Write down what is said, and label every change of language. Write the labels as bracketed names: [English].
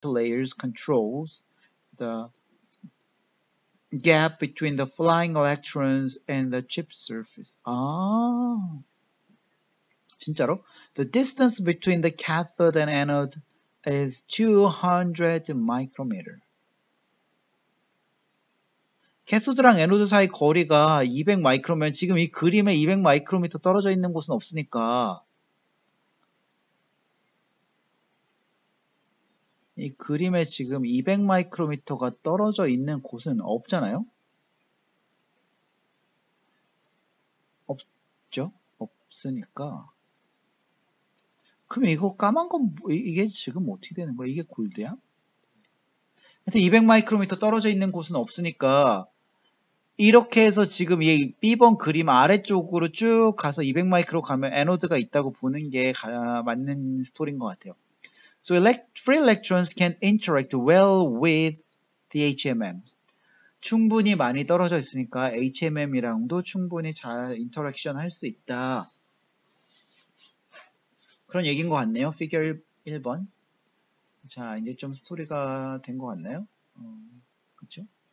[English] players controls the gap between the flying electrons and the chip surface. [Korean] 아, 진짜로? [English] The distance between the cathode and anode is 200 micrometer. [Korean] 캐소드랑 애노드 사이 거리가 200 마이크로면 지금 이 그림에 200 마이크로미터 떨어져 있는 곳은 없으니까 이 그림에 지금 200 마이크로미터가 떨어져 있는 곳은 없잖아요? 없죠? 없으니까 그럼 이거 까만 건 이게 지금 어떻게 되는 거야? 이게 골드야? 하여튼 200 마이크로미터 떨어져 있는 곳은 없으니까 이렇게 해서 지금 이 B번 그림 아래쪽으로 쭉 가서 200마이크로 가면 애노드가 있다고 보는 게 맞는 스토리인 것 같아요. [English] So free electrons can interact well with the HMM. [Korean] 충분히 많이 떨어져 있으니까 HMM이랑도 충분히 잘 인터랙션 할 수 있다. 그런 얘기인 것 같네요. Figure 1번. 자, 이제 좀 스토리가 된 것 같나요? 그렇죠?